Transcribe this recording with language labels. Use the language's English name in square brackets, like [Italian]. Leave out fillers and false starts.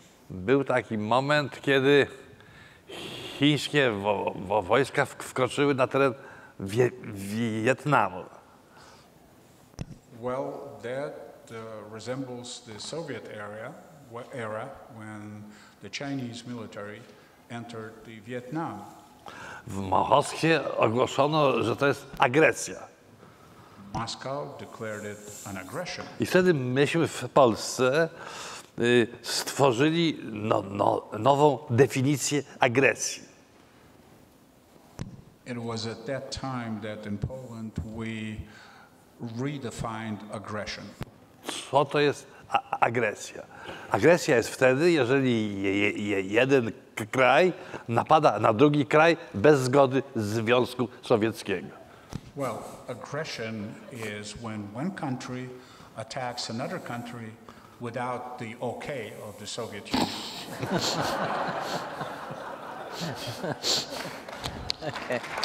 [Polish] Był taki moment, kiedy chińskie wojska wkroczyły na teren Wietnamu. [English] Well, that resembles the Soviet era when the Chinese military entered the Vietnam. [Polish] W Moskwie ogłoszono, że to jest agresja. [English] Moscow declared it an aggression. [Polish] I wtedy myśmy w Polsce stworzyli nową definicję agresji. [English] It was at that time that in Poland we redefined aggression. [Polish] Co to jest agresja? Agresja jest wtedy, jeżeli jeden kraj napada na drugi kraj bez zgody Związku Sowieckiego. [English] Well, aggression is when one country attacks another country without the okay of the Soviet Union. Okay.